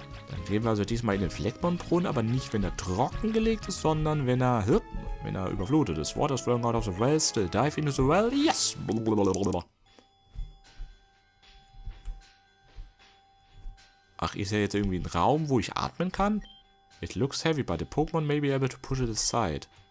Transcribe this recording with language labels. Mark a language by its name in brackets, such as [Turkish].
[German] Dann gehen wir also diesmal in den Fleckmann-Brunnen, aber nicht, wenn er trocken gelegt ist, sondern wenn er überflutet ist. [English] Water's flowing out of the well, still dive into the well, yes! Blablabla. [German] Ach, ist ja jetzt irgendwie ein Raum, wo ich atmen kann? [English] It looks heavy, but the Pokémon may be able to push it aside.